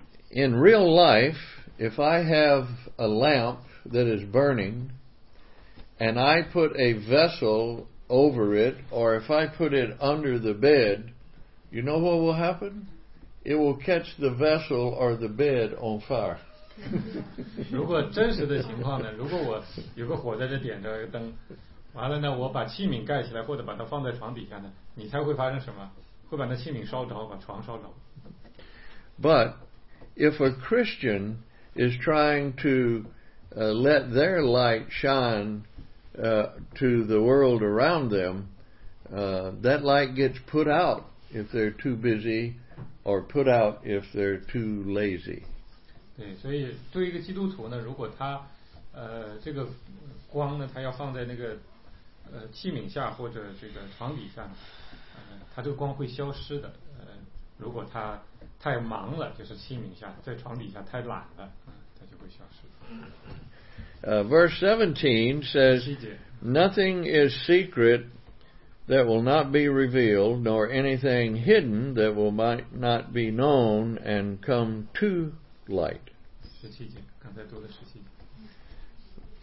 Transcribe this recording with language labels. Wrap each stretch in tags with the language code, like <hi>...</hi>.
<en>In real life, if I have a lamp that is burning, and I put a vessel. Over it, or if I put it under the bed, you know what will happen? It will catch the vessel or the bed on fire.</en> <zh>如果真实的情况呢？如果我有个火在这点着一个灯，完了呢，我把器皿盖起来或者把它放在床底下呢，你猜会发生什么？会把那器皿烧着，把床烧着。</zh> <en>But if a Christian is trying to let their light shine. To the world around them, that light gets put out if they're too busy, or put out if they're too lazy.</en> <zh>对，所以对一个基督徒呢，如果他这个光呢，他要放在那个器皿下或者这个床底下，他这个光会消失的。如果他太忙了，就是器皿下，在床底下太懒了，他就会消失的。</zh> <en>Verse 17 says, Nothing is secret that will not be revealed, nor anything hidden that will might not be known and come to light.</en> <zh>17节, 刚才读的17节。</zh>